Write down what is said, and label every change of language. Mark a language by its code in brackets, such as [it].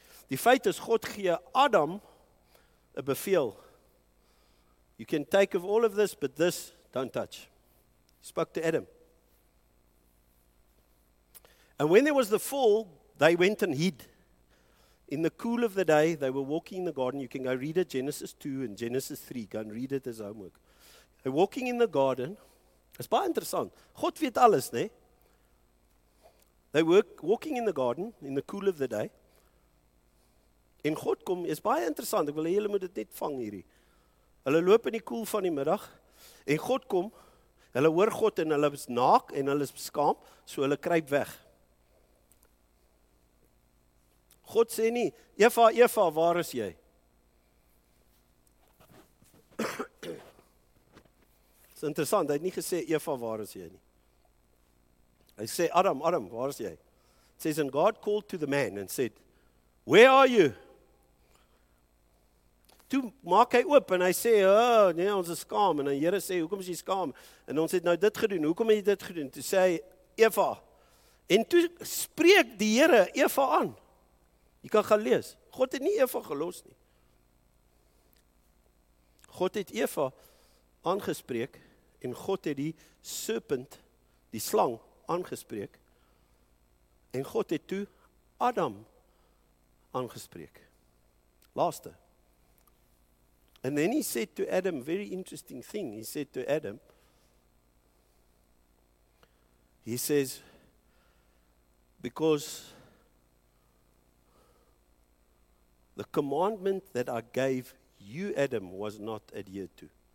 [af] Die feit is, God gee Adam een bevel. [en] You can take of all of this, but this, don't touch. He spoke to Adam. And when there was the fall, they went and hid. In the cool of the day, they were walking in the garden. You can go read it, Genesis 2 and Genesis 3. Go and read it as homework. They're walking in the garden. It's [af] baie interessant. God weet alles, nee? [en] They were walking in the garden in the cool of the day. [af] En God kom, is baie interessant, ek wil hê julle moet dit net vang hierdie. Hulle loop in die koel van die middag, en God kom, hulle hoor God en hulle is naak en hulle is beskaam, so hulle kruip weg. God sê nie, Eva, Eva, waar is jy? Dit is interessant, hy het nie gesê, Eva, waar is jy nie. Hy sê, Adam, Adam, waar is jy? [en] It says, and God called to the man and said, where are you? [af] Toe maak hy oop en hy sê, oh, nee, ons is skaam. En die Here sê, hoekom is jy skaam? En ons het nou dit gedoen, hoekom het jy dit gedoen? Toe sê hy, Eva. En toe spreek die Here Eva aan. Jy kan gaan lees. God het nie Eva gelos nie. God het Eva aangespreek en God het die serpent, die slang, aangespreek, en God het toe Adam aangespreek. Laaste. [en] And then he said to Adam, very interesting thing, he said to Adam, he says, because the commandment that I gave you, Adam, was not adhered to.